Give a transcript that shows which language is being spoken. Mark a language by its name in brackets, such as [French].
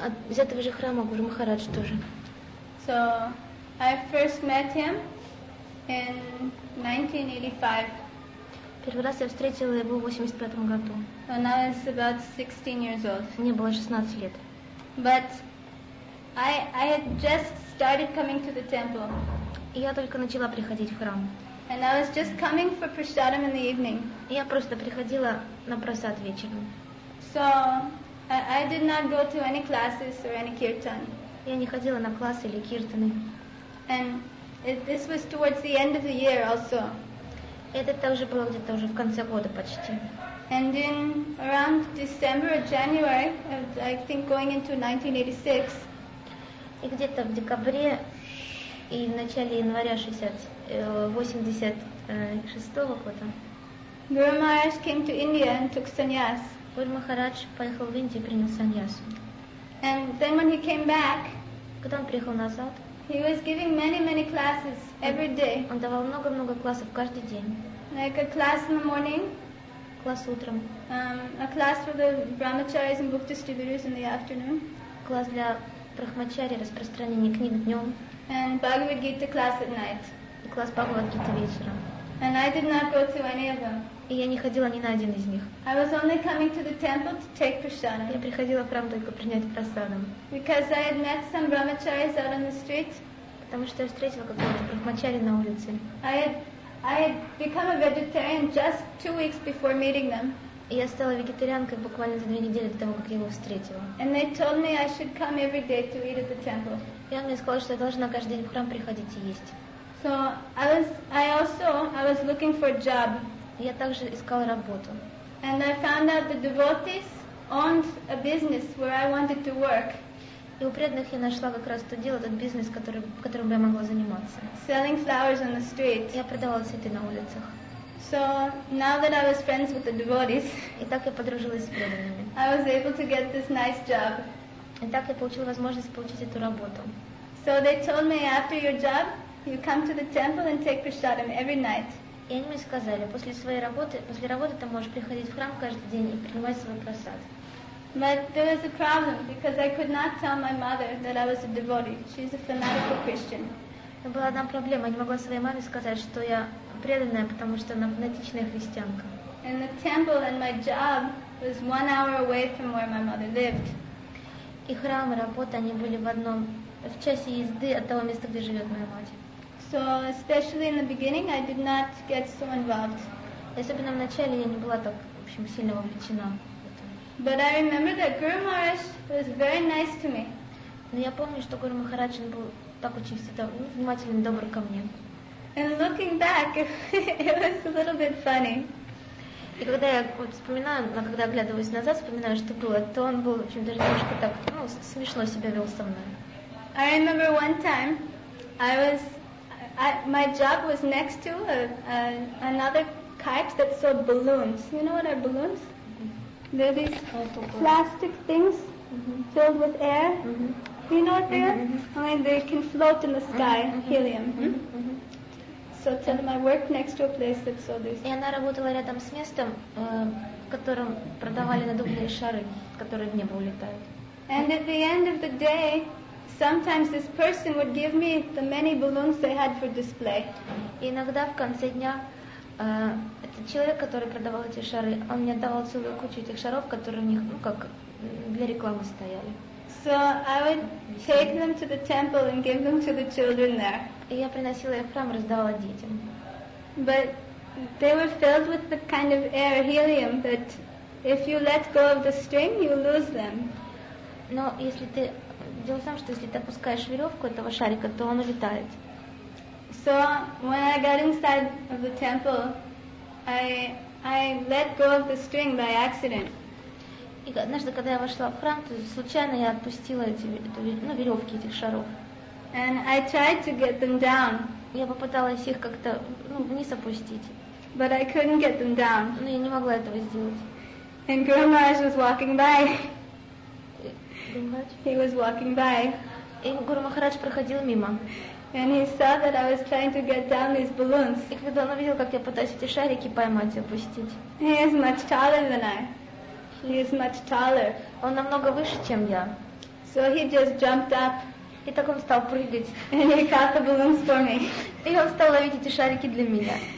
[Russian] Из этого же храма Гуру Махарадж тоже. [English] So I first met him in 1985. [Russian] Первый раз я встретила его в 85 году. [English] When I was about 16 years old. [Russian] Мне было 16 лет. [English] But I had just started coming to the temple. [Russian] Я только начала приходить в храм. [English] And I was just coming for prasadam in the evening. [Russian] Я просто приходила на прасад вечером. [English] So I did not go to any classes or any kirtan. [Russian] Я не ходила на классы или киртаны. [English] And this was towards the end of the year also. [Russian] Это также было где-то уже в конце года почти. [English] And in around December or January, I think going into 1986. [Russian] И где-то в декабре и в начале января 86-го года. [English] Guru Maharaj came to India and took sannyas. [Russian] Guru Maharaj поехал в Индию и принял саньясу. [English] And then when he came back, [Russian] когда он приехал назад, [English] he was giving many, many classes every day. [Russian] Он давал много-много классов каждый день. [English] Like a class in the morning. [Russian] Класс утром. [English] A class for the brahmacharis and book distributors in the afternoon. [Russian] Класс для брахмачари, распространения книг днем. [English] And Bhagavad Gita class at night. [Russian] И класс Бхагавад Гиты вечером. [English] And I did not go to any of them. [Russian] И я не ходила ни на один из них. [English] I was only coming to the temple to take prasadam. [Russian] Я приходила в храм только принять прасадам. [English] Because I had met some brahmacharis out on the street. [Russian] Потому что я встретила какого-то брахмачари на улице. [English] I had become a vegetarian just 2 weeks before meeting them. [Russian] И я стала вегетарианкой буквально за 2 недели до того, как я его встретила. [English] And they told me I should come every day to eat at the temple. [Russian] И он мне сказал, что я должна каждый день в храм приходить и есть. [English] So I was looking for a job. [Russian] Я также искала работу. [English] And I found out the devotees owned a business where I wanted to work. [Russian] И у преданных я нашла как раз то дело, тот бизнес, которым бы я могла заниматься. [English] Selling flowers on the street. [Russian] Я продавала цветы на улицах. [English] So now that I was friends with the devotees. [Russian] И так я подружилась с преданными. [English] I was able to get this nice job. [Russian] И так я получила возможность получить эту работу. [English] So they told me after your job. You come to the temple and take prasadam every night. [Russian] И они мне сказали, после своей работы, после работы ты можешь приходить в храм каждый день и принимать свой прасад. [English] But there was a problem because I could not tell my mother that I was a devotee. She's a fanatical Christian. [Russian] Была одна проблема, я не могла своей маме сказать, что я преданная, потому что она фанатичная христианка. [English] And the temple and my job was 1 hour away from where my mother lived. [Russian] И храм и работа, они были в одном, в часе езды от того места, где живет моя мать. [English] So especially in the beginning, I did not get so involved. [Russian] Особенно в начале я не была так, в общем, сильно вовлечена. [English] But I remember that Guru Maharaj was very nice to me. [Russian] Но я помню, что Гуру Махарадж был так очень всегда внимательный, добр ко мне. [English] And looking back, it was a little bit funny. [Russian] И когда я вот вспоминаю, когда оглядываюсь назад, вспоминаю, что было, то он был, в общем, даже немножко так, ну, смешно себя вел со мной. [English] I remember one time, my job was next to another cart that sold balloons. You know what are balloons? Mm-hmm. They're these plastic things mm-hmm. filled with air. Mm-hmm. You know what they are? Mm-hmm. I mean, they can float in the sky, mm-hmm. helium. Mm-hmm. Mm-hmm. So tell them I worked next to a place that sold these. [Russian] И она работала рядом с местом, в котором продавали надувные шары, которые в небо улетают. [English] And at the end of the day, sometimes this person would give me the many balloons they had for display. [Russian] Иногда в конце дня этот человек, который продавал эти шары, он мне давал целую кучу этих шаров, которые у них, ну как для рекламы стояли. [English] So I would take them to the temple and give them to the children there. [Russian] И я приносила их в храм, раздавала детям. [English] But they were filled with the kind of air, helium, that if you let go of the string, you lose them. [Russian] Но если ты дело в том, что если ты опускаешь веревку этого шарика, то он улетает. [English] So when I got inside of the temple, I I let go of the string by accident. [Russian] И однажды, когда я вошла в храм, то случайно я отпустила веревки этих шаров. [English] And I tried to get them down. [Russian] Я попыталась их как-то вниз опустить. [English] But I couldn't get them down. [Russian] Но я не могла этого сделать. [English] And Guru Maharaj was walking by. He was walking by. [Russian] И Гуру Махарадж проходил мимо. [English] And he saw that I was trying to get down these balloons. [Russian] И когда он увидел, как я пытаюсь эти шарики поймать и опустить. [English] He is much taller than I. He is much taller. [Russian] Он намного выше, чем я. [English] So he just jumped up. [Russian] И так он стал прыгать. [English] And he caught the balloons for me. [Russian] И он стал ловить эти шарики для меня.